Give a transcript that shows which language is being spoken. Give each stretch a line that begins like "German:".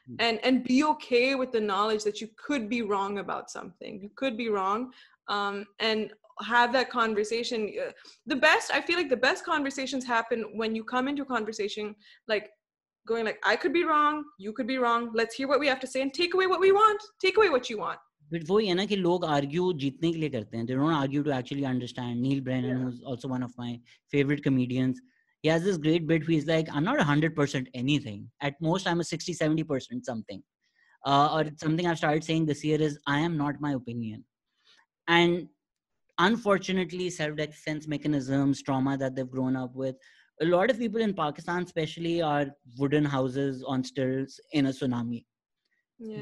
English: And be okay with the knowledge that you could be wrong about something. You could be wrong. And have that conversation. I feel like the best conversations happen when you come into a conversation like going like, I could be wrong, you could be wrong, let's hear what we have to say and take away what you want, But
Hindi: वो ही है ना कि लोग argue जीतने के लिए करते हैं.
English: They don't argue to actually understand. Neil Brennan, yeah. who's also one of my favorite comedians, he has this great bit where he's like, I'm not 100% anything. At most, I'm a 60-70% something. Or something I've started saying this year is, I am not my opinion. And unfortunately, self-defense mechanisms, trauma that they've grown up with, a lot of people in Pakistan especially are wooden houses on stilts in a tsunami. Yeah.